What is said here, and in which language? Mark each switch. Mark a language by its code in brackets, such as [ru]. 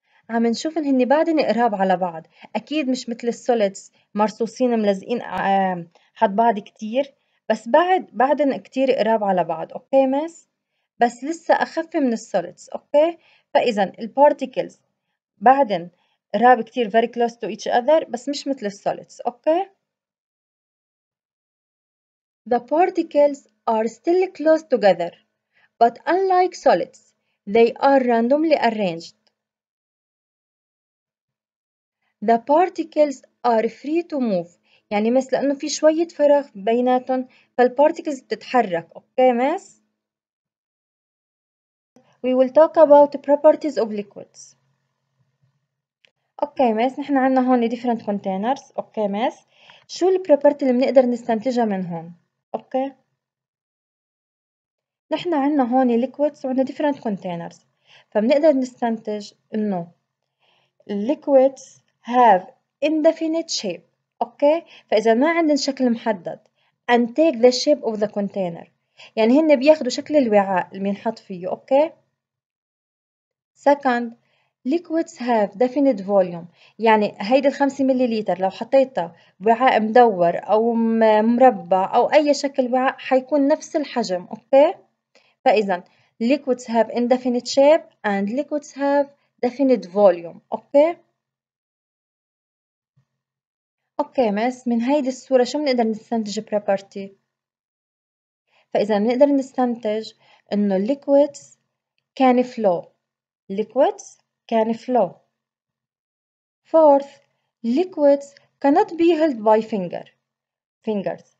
[ar] عم نشوف إن هن بعدين قراب على بعض، أكيد مش مثل السوليدز مرصوصين ملزقين حد بعض كتير، بس بعدين كتير قراب على بعض، أوكي مس؟ بس لسه أخف من السوليدز، أوكي؟ فإذا البارتيكلز بعدين قراب كتير [en] very close to each other، [ar] بس مش مثل السوليدز، أوكي؟ [en] The particles are still close together, but unlike solids, they are randomly arranged. The particles are free to move. [ar] يعني مس لأنه في شوية فراغ بيناتهم فالparticles بتتحرك. [en] Okay, miss. We will talk about the properties of liquids. [ar] Okay, مس. نحن عنا هون [en] different containers. [ar] Okay, مس. شو ال properties اللي بنقدر نستنتجها من هون؟ Okay. نحن عنا هون [en] liquids وعنا different containers. [ar] فبنقدر نستنتج إنه [en] liquids have indefinite shape. Okay. [ar] فإذا ما عندن شكل محدد [en] and take the shape of the container. [ar] يعني هن بياخدوا شكل الوعاء اللي بنحط فيه. [en] Okay. Second, liquids have definite volume. [ar] يعني هيدي الخمسة مليليتر لو حطيتها وعاء مدور أو مربع أو أي شكل وعاء حيكون نفس الحجم. [en] Okay. فإذا liquids have indefinite shape and liquids have definite volume. Okay. [ar] اوكي مس، من هيدي الصورة شو بنقدر نستنتج property؟ فإذا بنقدر نستنتج إنه [en] liquids can flow. Liquids can flow. Fourth, liquids cannot be held by fingers.